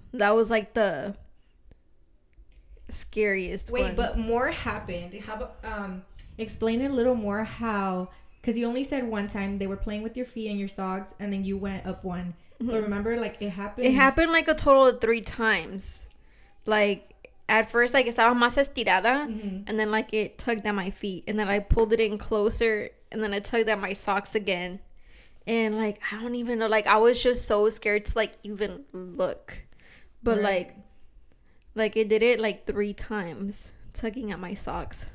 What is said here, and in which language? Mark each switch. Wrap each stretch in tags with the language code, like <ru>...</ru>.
<en>That was, like, the scariest Wait, one. But more happened. How about, explain a little more how, because you only said one time they were playing with your feet and your socks, and then you went up one. Mm-hmm. But remember, like, it happened. It happened, like, a total of three times. Like, at first, like,</en> <es>estaba más estirada.</es> <en>Mm-hmm. And then, like, it tugged at my feet. And then I pulled it in closer. And then it tugged at my socks again. And, like, I don't even know. Like, I was just so scared to, like, even look. But, right. like, it did it, like, three times. Tugging at my socks.</en>